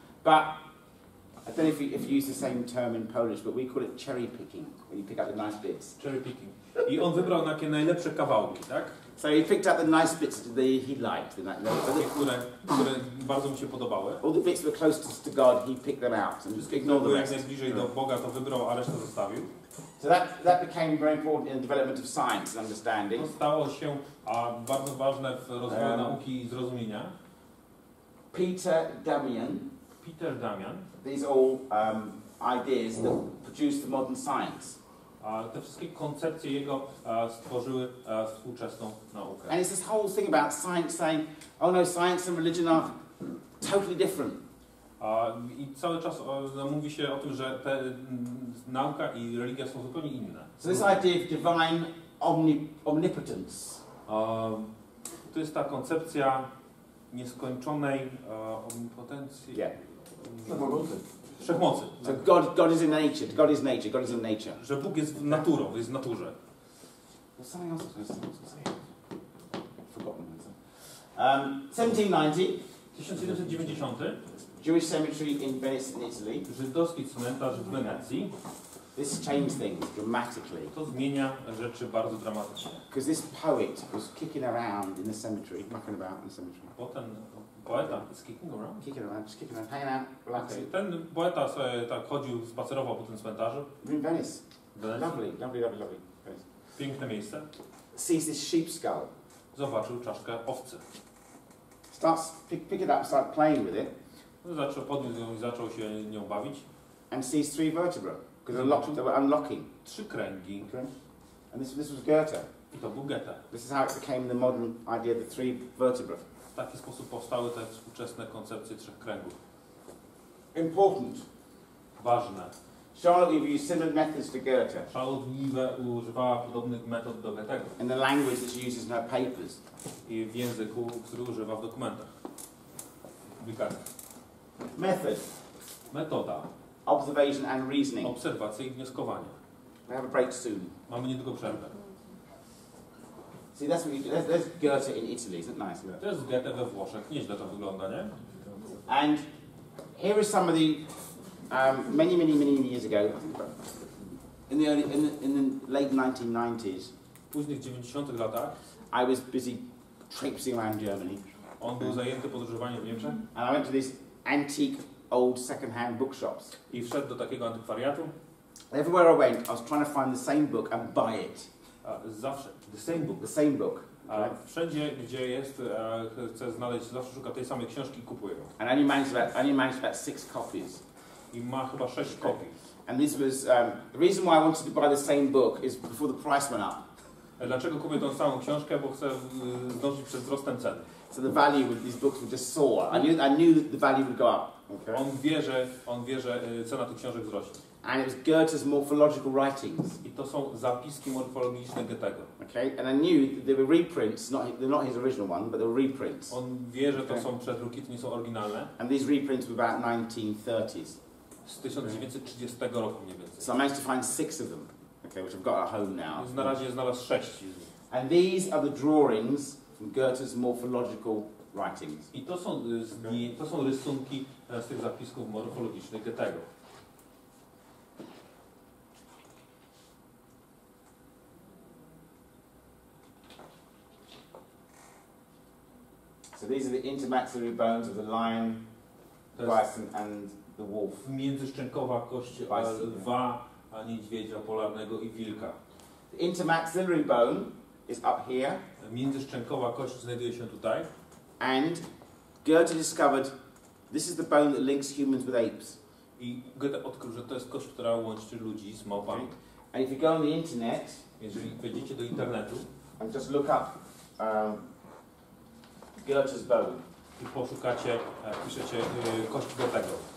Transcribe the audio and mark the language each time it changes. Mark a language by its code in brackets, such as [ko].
[en] But I don't know if you use the same term in Polish, but we call it cherry picking, when you pick up the nice bits. Cherry picking. [pl] I on wybrał takie najlepsze kawałki, tak? [en] So he picked up the nice bits that he liked. [pl] Które bardzo mu się podobały. [en] All the bits that were closest to God, he picked them out and just ignored the rest. [pl] Jak najbliżej do Boga, to wybrał, a resztę zostawił. [en] So that became very important in the development of science and understanding. [pl] To stało się bardzo ważne w rozwoju nauki i zrozumienia. [en] Peter Damian. These are all ideas that produce the modern science. [pl] Te wszystkie koncepcje jego stworzyły współczesną naukę. [en] And it's this whole thing about science saying, oh no, science and religion are totally different. [pl] I cały czas mówi się o tym, że te nauka i religia są zupełnie inne. [en] So this idea of divine omnipotence. [pl] To jest ta koncepcja nieskończonej omnipotencji. [en] Yeah. [pl] Wszechmocy. [en] So God is in nature. God is nature. God is in nature. [pl] Że Bóg jest naturą, jest w naturze. [en] Well, something else was going to say. Forgotten. 1790. Jewish cemetery in Venice, in Italy. [pl] Żydowski cmentarz w Wenecji. [en] This changed things dramatically. [pl] To zmienia rzeczy bardzo dramatycznie. [en] Because this poet was kicking around in the cemetery, mucking about in the cemetery. [pl] Potem poeta [en] is kicking around. Kicking around, just kicking around, hanging out, relaxing. [pl] Ten poeta sobie tak chodził, spacerował po tym cmentarzu. [en] In Venice. Lovely. Venice. [pl] Piękne miejsce. [en] Sees this sheep skull. [pl] Zobaczył czaszkę owcy. [en] Starts pick it up, start playing with it. [pl] Zaczął podniósł ją i zaczął się nią bawić. [en] And sees three vertebrae. Because they were unlocking. [pl] Trzy kręgi. [en] Okay. And this was Goethe. [pl] I to był Goethe. [en] This is how it became the modern idea of the three vertebrae. [pl] W taki sposób powstały te współczesne koncepcje trzech kręgów. [en] Important. [pl] Ważne. [en] Charlotte used similar methods to Goethe. [pl] Charlotte używała podobnych metod do Goethego. [en] In the language that she uses in her papers. [pl] I w języku, który używa w dokumentach. Wykazach. [en] Method. [pl] Metoda. [en] Observation and reasoning. [pl] Obserwacje i wnioskowanie. [en] We have a break soon. [pl] Mamy niedługo przerwę. [en] See, that's what you do. There's Goethe in Italy, isn't it nice? [pl] To jest Goethe we Włoszech. Nieźle to wygląda, nie? [en] And here is some of the many years ago, in the late 1990s. [pl] Późnych 90-tych latach. [en] I was busy traipsing around Germany. [pl] On był zajęty podróżowaniem w Niemczech. [en] And I went to this antique old second-hand bookshops. [pl] I wszedł do takiego antykwariatu. [en] Everywhere I went, I was trying to find the same book and buy it. [pl] Zawsze. [en] The same book. The same book. Okay. [pl] Wszędzie, gdzie jest, chcę znaleźć, zawsze szuka tej samej książki i kupuję ją. [en] And I only managed about six copies. [pl] I ma chyba sześć kopii. [en] And this was, the reason why I wanted to buy the same book is before the price went up. [pl] Dlaczego kupię tą samą książkę? Bo chcę zdążyć przed wzrostem ceny. [en] So the value of these books would just soar. I knew that the value would go up. Okay. [pl] On wie, że cena tych książek wzrośnie. [en] And it was Goethe's morphological writings. [pl] I to są zapiski morfologiczne Goethego. Okay. [en] And I knew that they were reprints, not his original one, but they were reprints. [pl] On wie, że to są przedruki, to nie są oryginalne. [en] And these reprints were about 1930s. [pl] Z 1930 roku mniej więcej. [en] So I managed to find six of them, okay, which I've got at home now. [pl] Więc na razie znalazł sześć. [en] And these are the drawings from Goethe's morphological writings. [pl] I to są rysunki z tych zapisków morfologicznych Goethego. [en] So these are the intermaxillary bones of the lion, bison, and the wolf. [pl] Międzyszczękowa kość lwa, a niedźwiedzia polarnego i wilka. [en] The intermaxillary bone is up here. [pl] Międzyszczękowa kość znajduje się tutaj. [en] And Goethe discovered This is the bone that links humans with apes. [pl] I Goethe odkrył, że to jest kość, która łączy ludzi z małpami. [en] And if you go on the internet, [pl] jeżeli wejdziecie do internetu, [en] and just look up Goethe's bone, [pl] i poszukacie, piszecie kość Goethego.